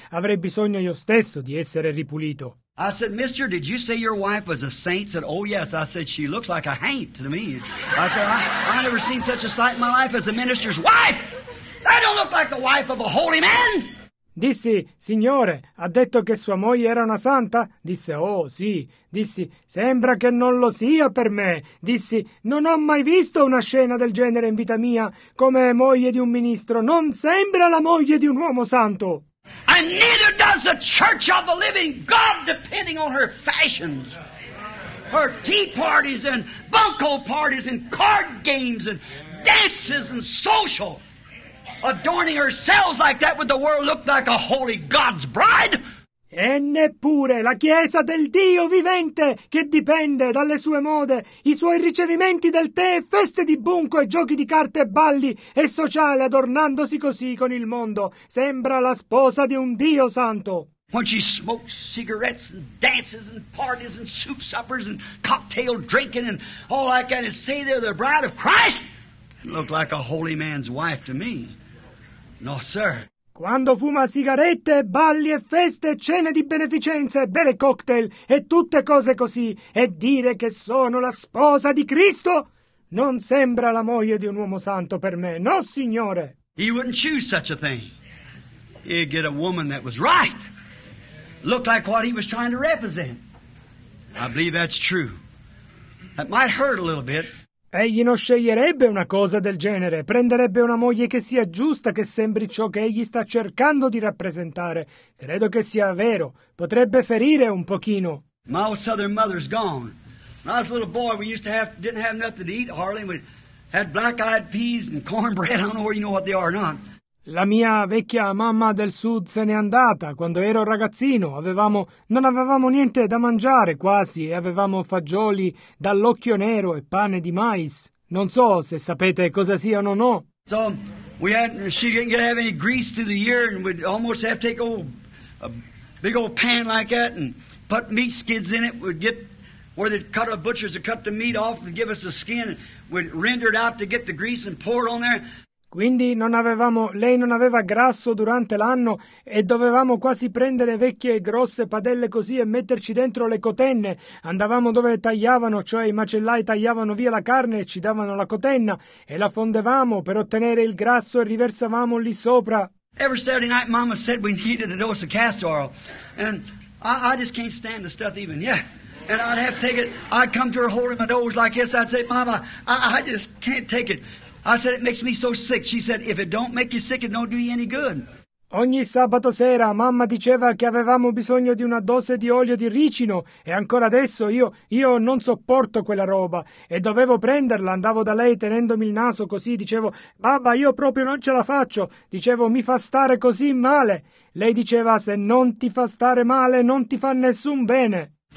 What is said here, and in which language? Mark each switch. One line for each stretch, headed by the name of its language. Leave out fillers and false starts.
Italian: Avrei bisogno io stesso di essere ripulito.
English: I said, mister, did you say your wife was a saint? Said, oh yes. I said, she looks like a haint to me. I said, I never seen such a sight in my life as a minister's wife. That don't look like the wife of a holy man.
Italian: Dissi, signore, ha detto che sua moglie era una santa? Disse, oh, sì. Dissi, sembra che non lo sia per me. Dissi, non ho mai visto una scena del genere in vita mia come moglie di un ministro. Non sembra la moglie di un uomo santo.
English: And neither does the church of the living God, depending on her fashions. Her tea parties and bunco parties and card games and dances and social. Adorning ourselves like that would the world look like a holy God's bride?
Italian: E neppure la Chiesa del Dio vivente, che dipende dalle sue mode, i suoi ricevimenti del tè, feste di bunco e giochi di carte e balli, e sociale adornandosi così con il mondo, sembra la sposa di un Dio santo.
English: When she smokes cigarettes and dances and parties and soup suppers and cocktail drinking and all I can say they're the bride of Christ, it looked like a holy man's wife to me. No, sir.
Italian: Quando fuma sigarette, balli e feste, cene di beneficenza e bere cocktail e tutte cose così, e dire che sono la sposa di Cristo, non sembra la moglie di un uomo santo per me, no signore!
English: He wouldn't choose such a thing. He'd get a woman that was right. Looked like what he was trying to represent. I believe that's true. That might hurt a little bit.
Italian: Egli non sceglierebbe una cosa del genere. Prenderebbe una moglie che sia giusta, che sembri ciò che egli sta cercando di rappresentare. Credo che sia vero. Potrebbe ferire un pochino.
English: My old southern mother's gone. When I was a little boy, we used to have, didn't have nothing to eat hardly. We had black-eyed peas and cornbread. I don't know where you know what they are or not.
Italian: La mia vecchia mamma del sud se n'è andata. Quando ero ragazzino non avevamo niente da mangiare quasi e avevamo fagioli dall'occhio nero e pane di mais. Non so se sapete cosa siano o no.
English: So we had, she didn't get to have any grease through the year and we'd almost have to take a big old pan like that and put meat skids in it. We'd get where they'd cut a butcher's to cut the meat off and give us the skin and we'd render it out to get the grease and pour it on there.
Italian: Quindi lei non aveva grasso durante l'anno e dovevamo quasi prendere vecchie e grosse padelle così e metterci dentro le cotenne. Andavamo dove tagliavano, cioè i macellai tagliavano via la carne e ci davano la cotenna e la fondevamo per ottenere il grasso e riversavamo lì sopra.
English: Every Saturday night mama said we needed a dose of castor oil and I just can't stand the stuff even, yeah. And I'd have to take it, I'd come to her holding my nose like this, I'd say, mama, I just can't take it. I said, it makes me so sick. She said, if it don't make you sick, it don't do you any good.
Italian: Ogni sabato sera, mamma diceva che avevamo bisogno di una dose di olio di ricino. E ancora adesso io non sopporto quella roba. E dovevo prenderla. Andavo da lei tenendomi il naso così. Dicevo, babba, io proprio non ce la faccio. Dicevo, mi fa stare così male. Lei diceva, se non ti fa stare male, non ti fa nessun bene.